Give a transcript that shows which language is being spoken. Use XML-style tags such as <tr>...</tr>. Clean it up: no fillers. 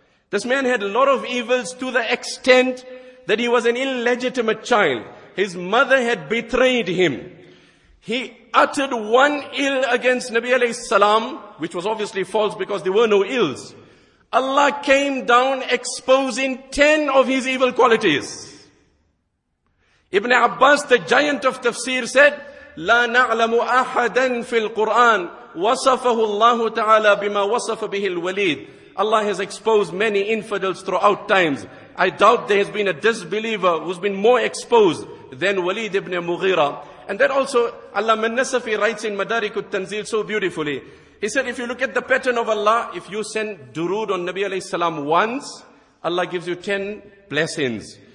<en>This man had a lot of evils to the extent that he was an illegitimate child. His mother had betrayed him. He uttered one ill against Nabi alayhi salam, which was obviously false because there were no ills. Allah came down exposing 10 of his evil qualities. Ibn Abbas, the giant of tafsir, said,</en> <ar>لا نعلم أحدا في القرآن وصفه الله تعالى بما وصف به الوليد.</ar> <en>Allah has exposed many infidels throughout times. I doubt there has been a disbeliever who's been more exposed than Walid ibn Mughira. And that also, Allama an-Nasafi writes in Madarik al-Tanzil so beautifully. He said, if you look at the pattern of Allah, if you send durood on Nabi alayhi salam once, Allah gives you 10 blessings.</en>